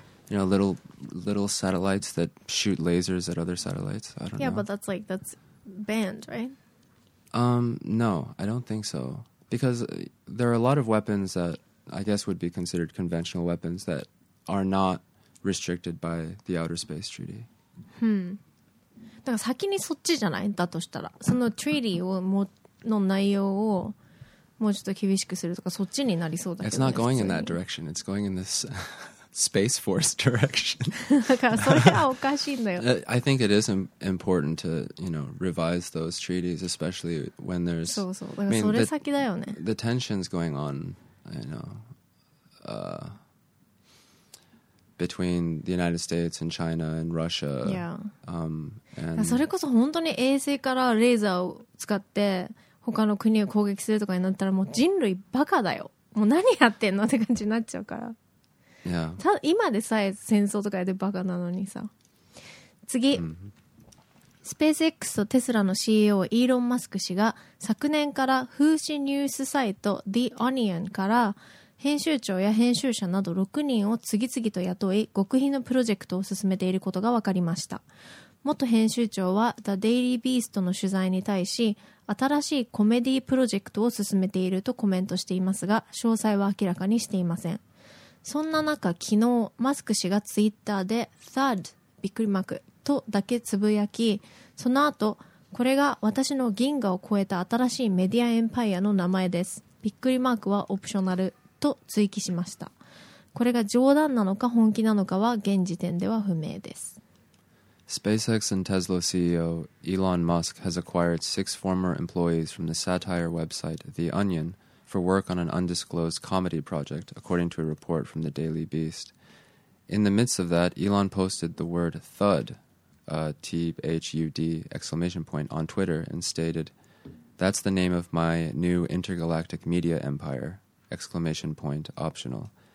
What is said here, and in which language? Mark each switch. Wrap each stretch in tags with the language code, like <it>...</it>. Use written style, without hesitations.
<en>You know, little satellites that shoot lasers at other satellites. I don't know. Yeah, but that's banned, right? No, I don't think so. Because there are a lot of weapons that I guess would be considered conventional weapons that are not restricted by the Outer Space Treaty.</en> <ja>だから先にそっちじゃない？だとしたら。その treaty の内容をもうちょっと厳しくするとかそっちになりそうだけど、ね、</ja> <en>It's not going in that direction. It's going in this Space Force direction.</en> <ja>だからそれはおかしいんだよ。</ja> <en>I think it is important to, you know, revise those treaties, especially when there's...</en> <ja>そうそう。だからそれ先だよね。</ja> <en>The tensions going on, you know, between the United States and China and Russia. Yeah. And</en> <ja>それこそ本当に衛星からレーザーを使って他の国を攻撃するとかになったらもう人類バカだよ、もう何やってんのって感じになっちゃうから、</ja> <en>yeah.</en> <ja>今でさえ戦争とかやってバカなのにさ。次、スペース X とテスラの CEO イーロン・マスク氏が昨年から風刺ニュースサイト The Onion から編集長や編集者など6人を次々と雇い、極秘のプロジェクトを進めていることが分かりました。元編集長は The Daily Beast の取材に対し、新しいコメディープロジェクトを進めているとコメントしていますが、詳細は明らかにしていません。そんな中、昨日、マスク氏がツイッターで THUD、びっくりマークとだけつぶやき、その後、これが私の銀河を超えた新しいメディアエンパイアの名前です。びっくりマークはオプショナルと追記しました。これが冗談なのか本気なのかは現時点では不明です。</ja> <en>SpaceX and Tesla CEO Elon Musk has acquired 6 former employees from the satire website The Onion for work on an undisclosed comedy project, according to a report from The Daily Beast. In the midst of that, Elon posted the word thud, T-H-U-D, exclamation point, on Twitter and stated, "That's the name of my new intergalactic media empire, exclamation point, optional."</en>